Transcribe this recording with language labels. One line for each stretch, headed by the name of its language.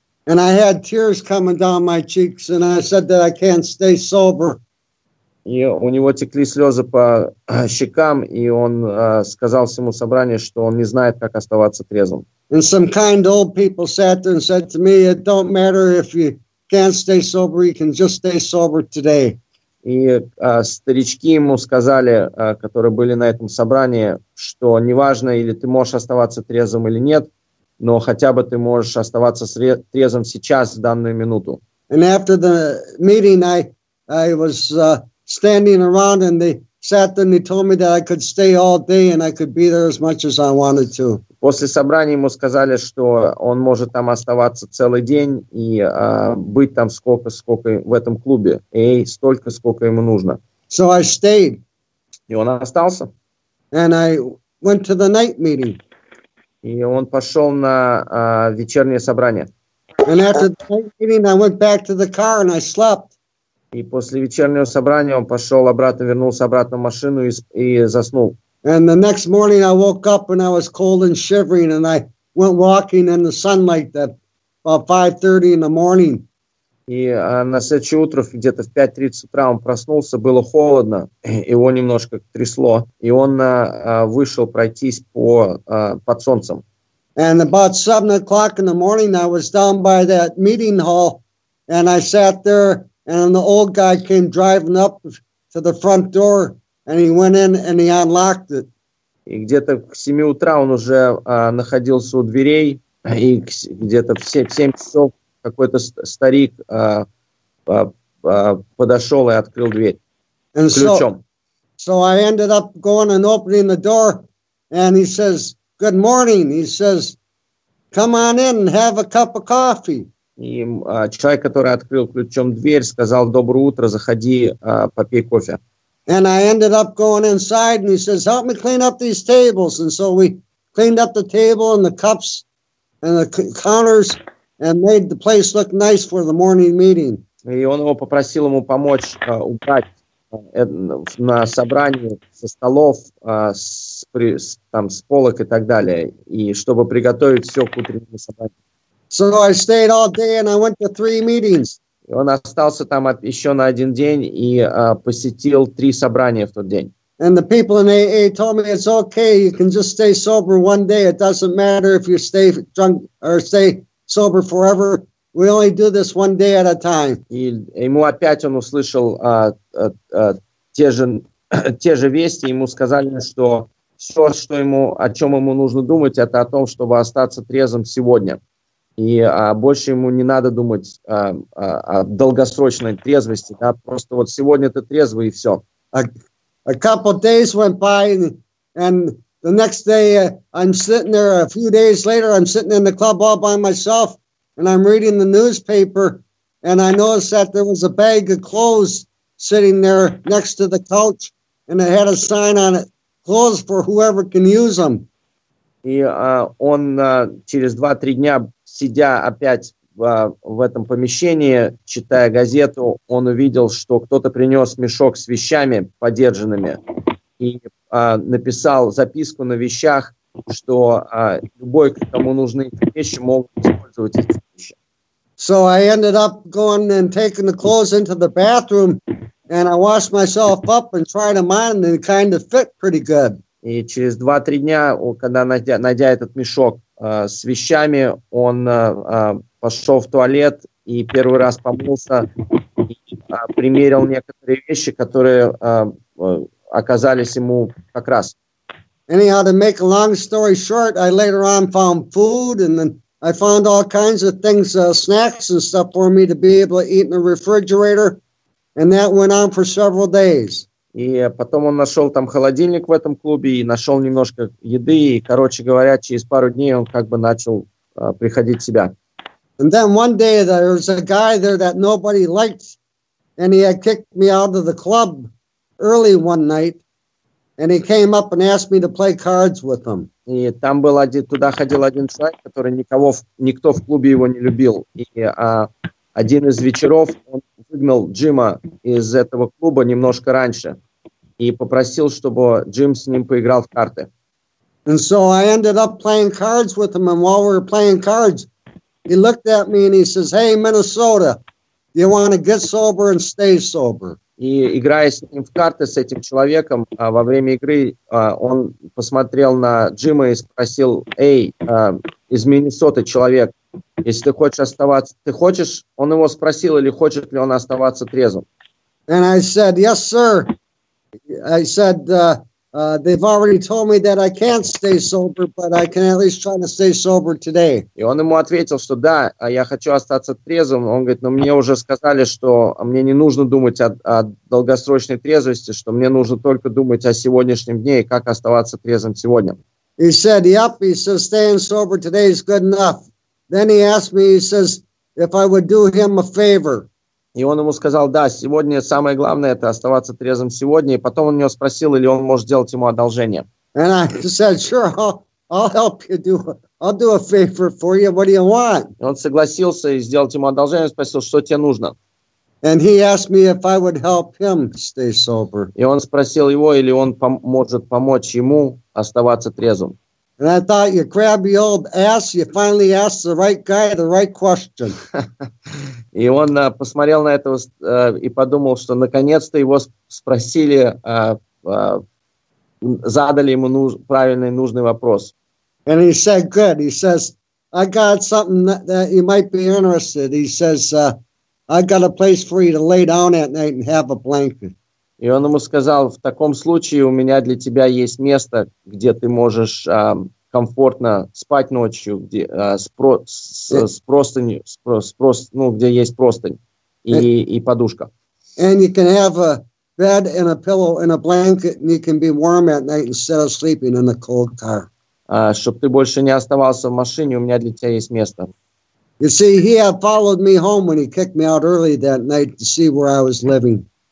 English: And I had tears coming down my cheeks, and I said that I can't stay sober.
Russian: И у него текли слезы по щекам, и он сказал всему собранию, что он не знает, как оставаться трезвым.
English: And some kind old people sat there and said to me, it don't matter if you can't stay sober, you can just stay sober today.
Russian: И старички ему сказали, которые были на этом собрании, что неважно, или ты можешь оставаться трезвым или нет, но хотя бы ты можешь оставаться трезвым сейчас, в данную минуту.
English: And after the meeting, I was standing around and they sat there and they told me that I could stay all day and I could be there as much as I wanted to.
Russian: После собрания ему сказали, что он может там оставаться целый день и быть там сколько в этом клубе, и столько, сколько ему нужно.
English: So I stayed.
Russian: И он остался.
English: And I went to the night meeting.
Russian: И он пошел на вечернее собрание.
English: And after the night meeting, I went back to the car and I slept.
Russian: И после вечернего собрания он пошел обратно, вернулся обратно в машину и заснул.
English: And the next morning I woke up and I was cold and shivering and I went walking in the sunlight at about 5:30 in the morning.
Russian: И на следующее утро, где-то в 5:30 утра, он проснулся, было холодно, его немножко трясло, и он вышел пройтись под солнцем.
English: And about 7 o'clock in the morning I was down by that meeting hall and I sat there and the old guy came driving up to the front door. And he went in and he unlocked it.
Russian: И где-то к 7 утра он уже находился у дверей, и где-то в 7 часов какой-то старик подошел и открыл дверь
English: and
Russian: ключом.
English: So I ended up going and opening the door, and he says, good morning. He says, come on in and have a cup of coffee.
Russian: И человек, который открыл ключом дверь, сказал, доброе утро, заходи, попей кофе.
English: And I ended up going inside, and he says, help me clean up these tables. And so we cleaned up the table and the cups and the counters and made the place look nice for the morning meeting.
Russian: И он его попросил ему помочь убрать на собрании со столов, с полок и так далее, и чтобы приготовить все к утреннему собранию.
English: So I stayed all day, and I went to three meetings.
Russian: И он остался там еще на один день и посетил три собрания в тот день.
English: And the people in AA told me it's okay, you can just stay sober one day. It doesn't matter if you stay drunk or stay sober forever. We only do this one day at a time.
Russian: И ему опять он услышал те же вести. Ему сказали, что все, что ему, о чем ему нужно думать, это о том, чтобы остаться трезвым сегодня. И больше ему не надо думать о долгосрочной трезвости. Да? Просто вот сегодня ты трезвый, и все.
English: A couple of days went by, and the next day I'm sitting there, a few days later I'm sitting in the club all by myself, and I'm reading the newspaper, and I noticed that there was a bag of clothes sitting there next to the couch, and it had a sign on it, clothes for whoever can use them.
Russian: И он через 2-3 дня, сидя опять в этом помещении, читая газету, он увидел, что кто-то принес мешок с вещами подержанными и написал записку на вещах, что любой, кому нужны эти вещи, могут использовать эти вещи.
English: So I ended up going and taking the clothes into the bathroom, and I washed myself up and tried them on, and they kind of fit pretty good.
Russian: И через 2-3 дня, когда найдя этот мешок с вещами, он пошел в туалет и первый раз помылся, и примерил некоторые вещи, которые оказались ему как раз.
English: Anyhow, to make a long story short, I later on found food, and then I found all kinds of things, snacks and stuff for me to be able to eat in the refrigerator, and that went on for several days.
Russian: И потом он нашел там холодильник в этом клубе и нашел немножко еды, и, короче говоря, через пару дней он как бы начал приходить в себя.
English: And then one day there was a guy there that nobody liked, and he had kicked me out of the club early one night, and he came up and asked me to play cards with him.
Russian: И там был один, туда ходил один человек, который никто в клубе его не любил. И один из вечеров он выгнал Джима из этого клуба немножко раньше и попросил, чтобы Джим с ним поиграл в карты.
English: And so I ended up playing cards with him, and while we were playing cards, he looked at me and he says, "Hey, Minnesota, you want to get sober and stay sober?"
Russian: И играя с ним в карты с этим человеком, во время игры он посмотрел на Джима и спросил: "Эй, из Миннесоты человек, если ты хочешь оставаться, ты хочешь?" Он его спросил, или хочет ли он оставаться трезвым.
English: And I said, "Yes, sir." I said, they've already told me that I can't stay sober, but I can at least try to stay sober today.
Russian: И он ему ответил, что да, я хочу остаться трезвым. Он говорит, но мне уже сказали, что мне не нужно думать о долгосрочной трезвости, что мне нужно только думать о сегодняшнем дне и как оставаться трезвым сегодня.
English: He said, yep, he says, staying sober today is good enough. Then he asked me, he says, if I would do him a favor.
Russian: И он ему сказал, да, сегодня самое главное – это оставаться трезвым сегодня. И потом он у него спросил, или он может сделать ему одолжение.
English: And I said, sure, I'll help you do, I'll do a favor for you, what do you want?
Russian: И он согласился и сделал ему одолжение, спросил, что тебе нужно.
English: And he asked me if I would help him stay sober.
Russian: И он спросил его, или он может помочь ему оставаться трезвым.
English: And I thought, you crabby old ass, you finally asked the right guy the right question.
Russian: И он посмотрел на этого и подумал, что наконец-то его спросили, задали ему правильный, нужный вопрос.
English: And he said, good. He says, I got something that you might be interested in. He says, I got a place for you to lay down at night and have a blanket.
Russian: И он ему сказал, в таком случае у меня для тебя есть место, где ты можешь комфортно спать ночью, где где есть простынь и подушка.
English: And you can have a bed and a pillow and a blanket, and you can be warm at night instead of sleeping in a cold car.
Russian: Чтобы ты больше не оставался в машине, у меня для тебя есть место.
English: You see, he had followed me home when he kicked me out early that night to see where I was living.